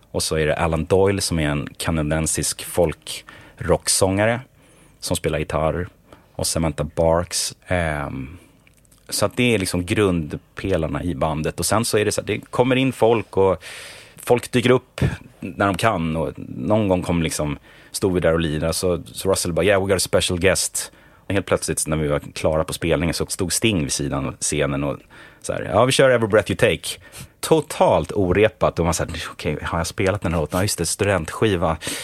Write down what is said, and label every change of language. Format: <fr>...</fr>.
<sv>Och så är det Alan Doyle som är en kanadensisk folkrocksångare som spelar gitarr. Och Samantha Barks. Så att det är liksom grundpelarna i bandet. Och sen så är det så att det kommer in folk och folk dyker upp när de kan. Och någon gång kom liksom, stod vi där och lirade. Så Russell bara,</sv> <en>yeah, we got a special guest.</en> <sv>Och helt plötsligt när vi var klara på spelningen så stod Sting vid sidan av scenen och så här, ja, vi kör Every Breath You Take. Totalt orepat. Och man sa, okej, har jag spelat den här låten? Ja, just det, studentskiva.</sv>